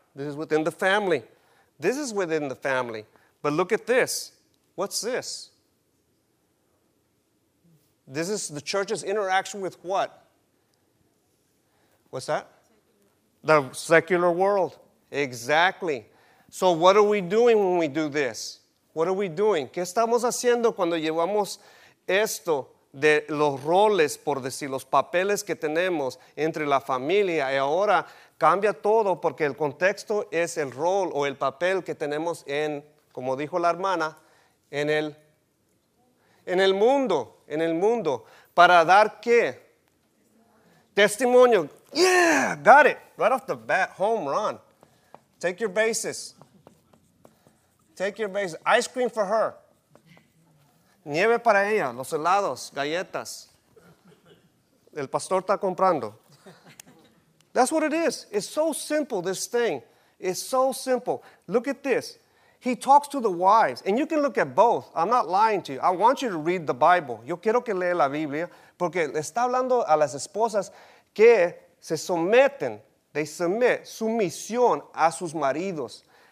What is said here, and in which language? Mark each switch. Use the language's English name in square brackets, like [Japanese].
[English] This is within the family. This is within the family. But look at this. What's this? This is the church's interaction with what? What's that? The secular world. Exactly. So what are we doing when we do this? What are we doing? [Spanish] ¿Qué estamos haciendo cuando llevamos esto de los roles, por decir, los papeles que tenemos entre la familia? Y ahora cambia todo porque el contexto es el rol o el papel que tenemos en, como dijo la hermana, en el mundo. ¿Para dar qué? Testimonio. [English] Yeah, got it. Right off the bat, home run. Take your bases. Ice cream for her. [Spanish] Nieve para ella. Los helados. Galletas. El pastor está comprando. [English] That's what it is. It's so simple, this thing. It's so simple. Look at this. He talks to the wives. And you can look at both. I'm not lying to you. I want you to read the Bible. [Spanish] Yo quiero que lea la Biblia. Porque está hablando a las esposas que se someten. [English] They submit [Spanish] sumisión a sus maridos.